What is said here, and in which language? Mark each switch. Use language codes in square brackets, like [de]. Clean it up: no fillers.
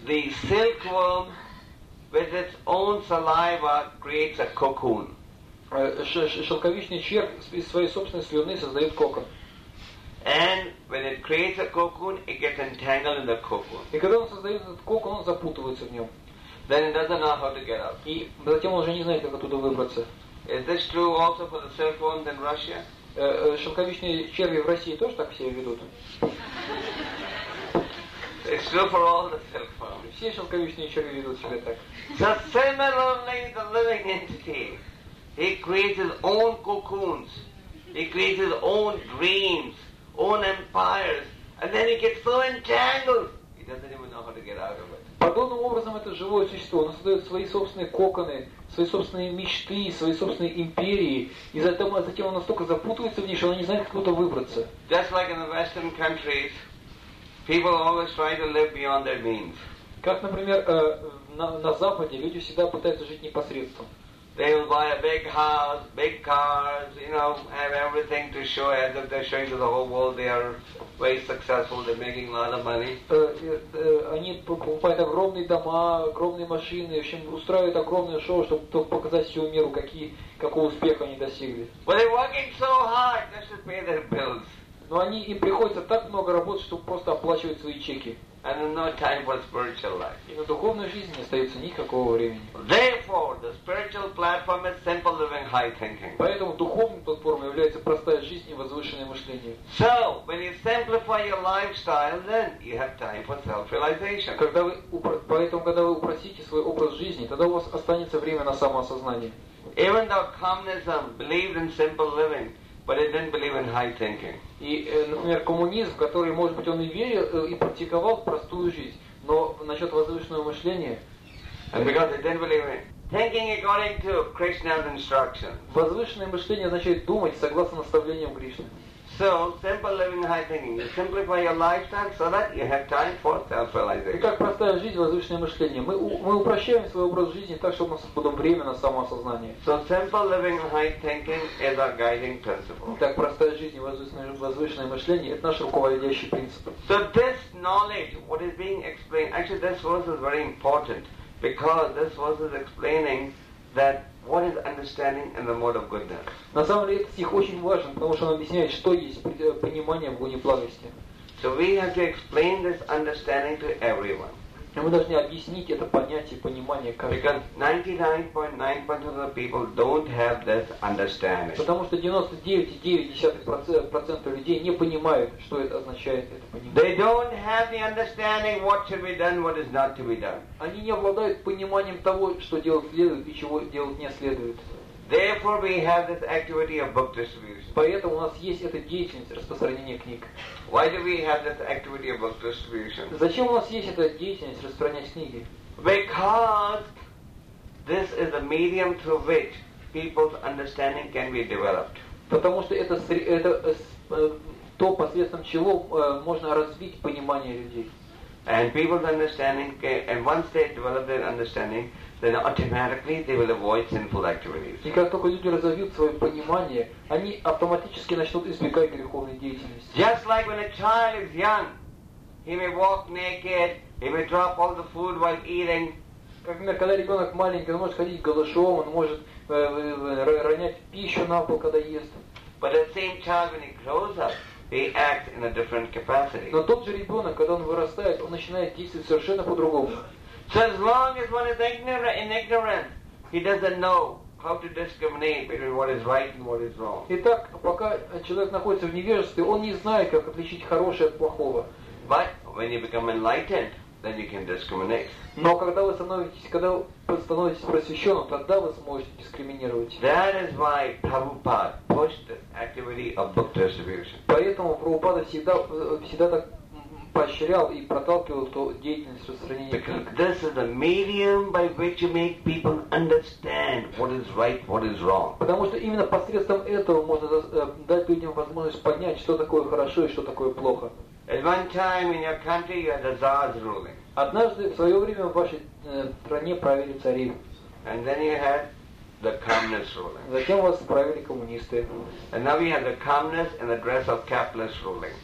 [en] The silkworm with its own saliva creates a cocoon. [ru] Шелковичный червь из своей собственной слюны создает кокон. [en] And when it creates a cocoon, it gets entangled in the cocoon. [ru] И когда он создает этот кокон, он запутывается в нем. [en] Then it doesn't know how to get out. [ru] И затем он уже не знает, как оттуда выбраться. [en] Is this true also for the silkworms in Russia? [ru] Шелковичные черви в России тоже так себя ведут? [en] It's true for all the silkworms. [ru] Все шелковичные черви ведут себя так. [en] So similarly, the living entity, he creates his own cocoons, he creates his own dreams, own empires, and then he gets so entangled, he doesn't even know how to get out of it. [ru] Подобным образом это живое существо, оно создает свои собственные коконы, свои собственные мечты, свои собственные империи, и затем оно настолько запутывается в них, что оно не знает, как оттуда выбраться. [en] Just like in the Western countries, people always try to live beyond their means. [ru] Как, например, на Западе люди всегда пытаются жить непосредством. [en] They will buy a big house, big cars, you know, have everything to show as if they're showing to the whole world they are very successful, they're making a lot of money. [ru] Они покупают огромные дома, огромные машины, в общем, устраивают огромное шоу, чтобы показать всему миру, какого успеха они достигли. [en] But they're working so hard, they should pay their bills. [ru] Но они им приходится так много работать, чтобы просто оплачивать свои чеки. [en] And no time for spiritual life. [ru] И на духовной жизни не остается никакого времени. [en] Therefore, the spiritual platform is simple living, high thinking. [ru] Поэтому духовной платформой является простая жизнь и возвышенное мышление. [en] So, when you simplify your lifestyle, then you have time for self-realization. [ru] Когда вы упростите свой образ жизни, тогда у вас останется время на самоосознание. [en] Even though communism believed in simple living, but it didn't believe in high thinking. [ru] И, например, коммунизм, который, может быть, он и верил и практиковал простую жизнь, но насчет возвышенного мышления. [en] And because it didn't believe in thinking according to Krishna's instruction. [ru] Возвышенное мышление означает думать согласно наставлениям Кришны. [en] So simple living, high thinking. You simplify your lifestyle so that you have time for self-realization. [ru] И как простая жизнь, возвышенное мышление. Мы упрощаем свой образ жизни так, чтобы у нас было время на самоосознание. [en] So simple living, high thinking is our guiding principle. [ru] Итак, простая жизнь, возвышенное мышление — это наш руководящий принцип. [en] So this knowledge, what is being explained, actually this verse is very important because this verse is explaining that what is understanding in the mode of goodness. [ru] На самом деле этот стих очень важен, потому что он объясняет, что есть понимание в гуне благости. [en] So we have to explain this understanding to everyone. [ru] И мы должны объяснить это понятие, понимание каждому. [en] Because 99.9% of the people don't have this understanding. [ru] Потому что 99.9% людей не понимают, что это означает, это понимание. [en] They don't have the understanding what should be done, what is not to be done. [ru] Они не обладают пониманием того, что делать следует и чего делать не следует. [en] Therefore, we have this activity of book distribution. [ru] Поэтому у нас есть эта деятельность распространения книг. [en] Why do we have this activity of book distribution? [ru] Зачем у нас есть эта деятельность распространять книги? [en] Because this is a medium through which people's understanding can be developed. [ru] Потому что это то, посредством чего можно развить понимание людей. [en] And people's understanding, and once they develop their understanding, then automatically they will avoid sinful activities. [ru] И как только люди разовьют свое понимание, они автоматически начнут избегать греховной деятельности. [en] Just like when a child is young, he may walk naked, he may drop all the food while eating. [ru] Как, например, когда ребенок маленький, он может ходить голышом, он может ронять пищу на пол, когда ест. [en] But the same child, when he grows up, they act in a different capacity. [ru] Но тот же ребенок, когда он вырастает, он начинает действовать совершенно по-другому. [en] So as long as one is ignorant, in ignorance, he doesn't know how to discriminate between what is right and what is wrong. [ru] Итак, пока человек находится в невежестве, он не знает, как отличить хорошее от плохого. [en] But when you become enlightened, then you can discriminate. [ru] Но когда вы становитесь просвещенным, тогда вы сможете дискриминировать. [en] That is why Prabhupada pushed the activity of book distribution. [ru] Поэтому Прабхупада всегда так поощрял и проталкивал ту деятельность распространения книг. [en] This is the medium by which you make people understand what is right, what is wrong. [ru] Потому что именно посредством этого можно дать людям возможность понять, что такое хорошо и что такое плохо. [en] At one time in your country you had the Tsars ruling. [ru] Однажды в свое время в вашей стране правили цари. [en] And then you had the communist ruling. [ru] Затем вас правили коммунисты. [en] And now we have the communist in the dress of capitalist ruling.